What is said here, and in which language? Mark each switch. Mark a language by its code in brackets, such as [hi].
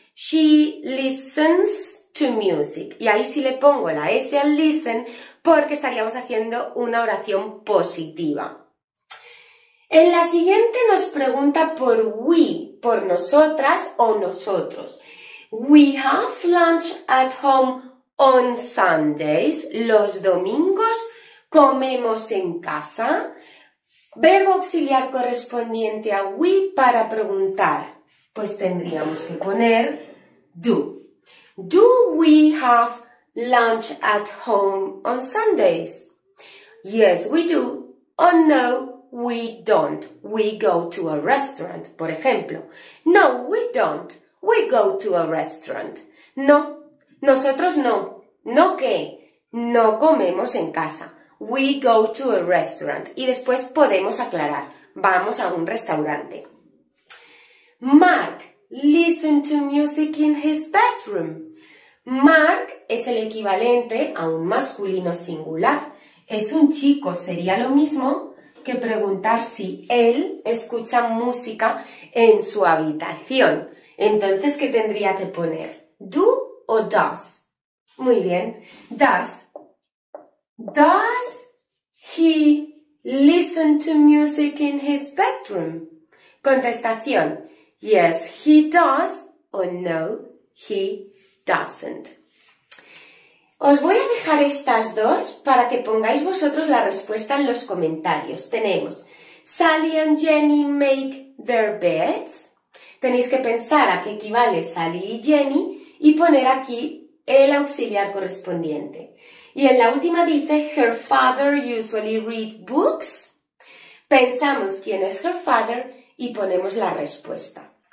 [en] She listens to music. [es] Y ahí sí le pongo la S al listen porque estaríamos haciendo una oración positiva. En la siguiente nos pregunta por we, por nosotras o nosotros. [en] We have lunch at home on Sundays. [es] Los domingos comemos en casa. Verbo auxiliar correspondiente a we para preguntar. Pues tendríamos que poner do. [en] Do we have lunch at home on Sundays? Yes, we do. Or no, we don't. We go to a restaurant, [es] por ejemplo. [en] No, we don't. We go to a restaurant. [es] No, nosotros no. ¿No qué? No comemos en casa. [en] We go to a restaurant. [es] Y después podemos aclarar. Vamos a un restaurante. [en] Mark listen to music in his bedroom. [es] Mark es el equivalente a un masculino singular. Es un chico, sería lo mismo que preguntar si él escucha música en su habitación. Entonces, ¿qué tendría que poner? ¿Do o does? Muy bien, does. [en] Does he listen to music in his bedroom? Contestación, yes, he does o no, he doesn't. [es] Os voy a dejar estas dos para que pongáis vosotros la respuesta en los comentarios. Tenemos, [en] Sally and Jenny make their beds. [es] Tenéis que pensar a qué equivale Sally y Jenny y poner aquí el auxiliar correspondiente. Y en la última dice, [en] her father usually read books. [es] Pensamos quién es her father y ponemos la respuesta.